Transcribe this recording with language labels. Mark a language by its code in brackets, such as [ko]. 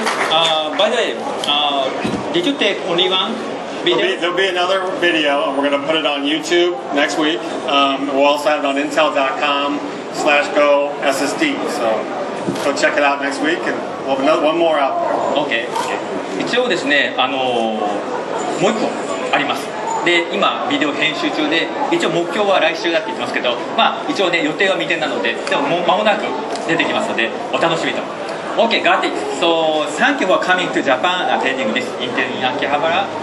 [en] By the way, did you take only one video? There'll be another video, and we're going to put it on YouTube next week. We'll also have it on intel.com/go-ssd. So go check it out next week, and we'll have another one more out there. Okay. [ja] 一応ですね、もう一個あります。で、今ビデオ編集中で、一応目標は来週だって言ってますけど、まあ一応ね予定は未定なので、でも間もなく出てきますので、お楽しみと。 [en] Okay, got it. So, thank you for coming to Japan attending this intern in Akihabara.